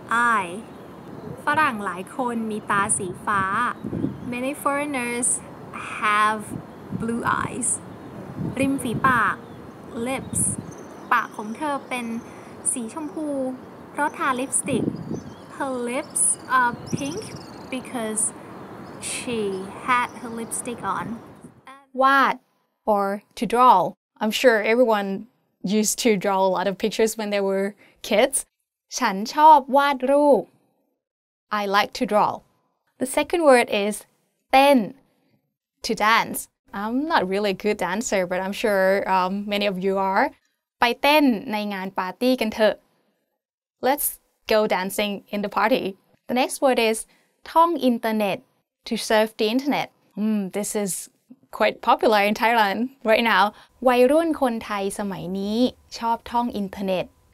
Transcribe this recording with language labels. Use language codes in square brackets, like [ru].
[en] eye. [th] ฝรั่งหลายคนมีตาสีฟ้า [en] Many foreigners have. Blue eyes. [th] ริมฝีปาก [en] Lips. [th] ปากของเธอเป็นสีชมพูเพราะทาลิปสติก [en] Her lips are pink because she had her lipstick on. Wad, or to draw. I'm sure everyone used to draw a lot of pictures when they were kids. [th] ฉันชอบวาดรูป [en] I like to draw. The second word is เต้น to dance. I'm not really a good dancer, but I'm sure many of you are. [th] ไปเต้นในงานปาร์ตี้กันเถอะ [en] Let's go dancing in the party. The next word is [th] ท่องอินเทอร์เน็ต [en] to surf the internet. This is quite popular in Thailand right now. [th] วัยรุ่นคนไทยสมัยนี้ชอบท่องอินเทอร์เน็ต